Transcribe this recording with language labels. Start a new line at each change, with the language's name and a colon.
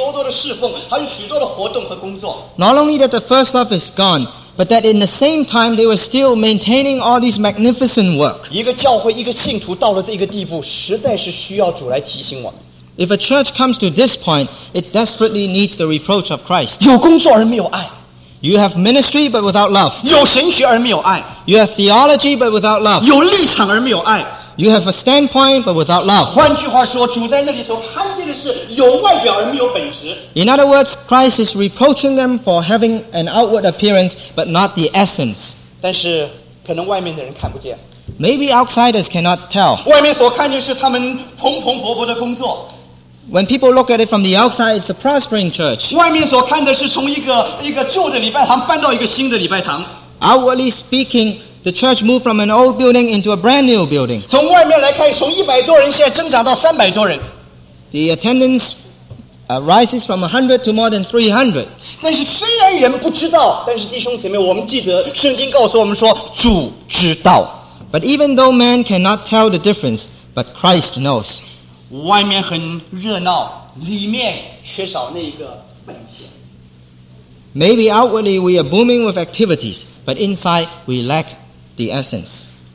Chinese: 不只是失去纯义的爱,而是在那个爱的里面,他们外面还有许许多多的侍奉,还有许多的活动和工作。
English: Not only that the first love is gone, but that in the same time, they were still maintaining all these magnificent work.
Chinese: 一个教会,一个信徒到了这个地步,
English: if a church comes to this point, it desperately needs the reproach of Christ.
Chinese: 有工作而没有爱。
English: You have ministry but without love.
Chinese: 有神学而没有爱。
English: You have theology but without love.
Chinese: 有立场而没有爱。
English: You have a standpoint but without love.
Chinese: 换句话说, 主在那里所看见的是有外表而没有本质。
English: In other words, Christ is reproaching them for having an outward appearance but not the essence.
Chinese: 但是可能外面的人看不见。
English: Maybe outsiders cannot tell.
Chinese: 外面所看见是他们蓬蓬勃勃的工作。
English: When people look at it from the outside, it's a prospering church.
Chinese: 外面所看的是从一个旧的礼拜堂搬到一个新的礼拜堂。
English: Outwardly speaking, The church moved from an old building into a brand new building.
Chinese: 从外面来看, 从100多人, 现在增长到300多人。
English: The attendance rises from 100 to more than 300.
Chinese: 但是虽然人不知道, 但是弟兄姊妹, 我们记得, 圣经告诉我们说, 主知道。
English: But even though man cannot tell the difference, but Christ knows.
Chinese: 外面很热闹, 里面缺少那个本钱。
English: Maybe outwardly we are booming with activities, but inside we lack the essence.